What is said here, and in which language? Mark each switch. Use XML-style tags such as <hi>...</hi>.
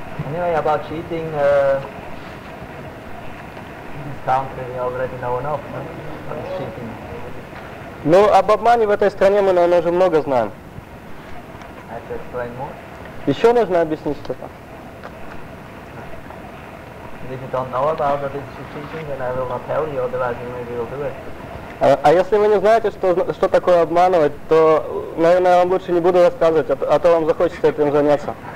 <en>Anyway, about cheating, in this country we already know enough, no? What is cheating?</en> <ru>Ну, об обмане в этой стране мы, наверное, уже много знаем.</ru> <en>I have to explain more?</en> <ru>Еще нужно объяснить что-то.</ru> <en>And if you don't know about that this is cheating, then I will not tell you, otherwise you maybe will do it.</en> <ru>А если вы не знаете, что такое обманывать, то, наверное, я вам лучше не буду рассказывать, а то вам захочется этим заняться.</ru>